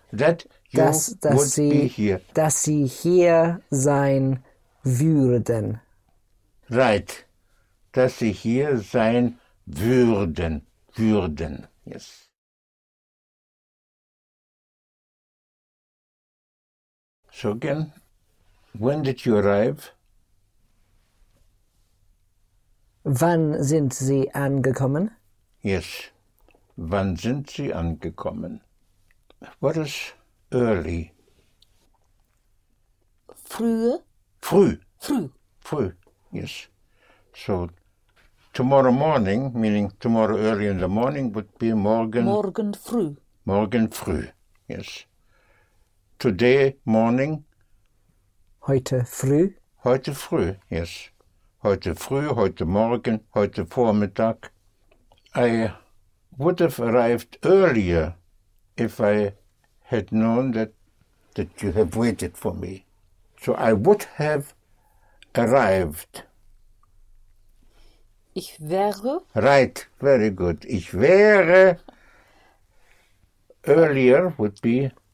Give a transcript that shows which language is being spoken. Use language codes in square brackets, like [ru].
[en] That you [de] das, das [en] would sie, be here. [de] Dass sie hier sein würden. [en] Right. [de] Dass sie hier sein würden. Würden. [en] Yes. So again, when did you arrive? [de] Wann sind Sie angekommen? [en] Yes. [de] Wann sind Sie angekommen? [en] What is early? [de] Früh. Früh. Früh. Früh, [en] yes. So, tomorrow morning, meaning tomorrow early in the morning, would be [de] morgen. Morgen früh. Morgen früh, [en] yes. Today morning. [de] Heute früh. Heute früh, [en] yes. [de] Heute früh, heute morgen, heute Vormittag. [en] I would have arrived earlier if I had known that you have waited for me. So I would have arrived. [de] Ich wäre. [en] Right, very good. [de] Ich wäre. [en] Earlier would be.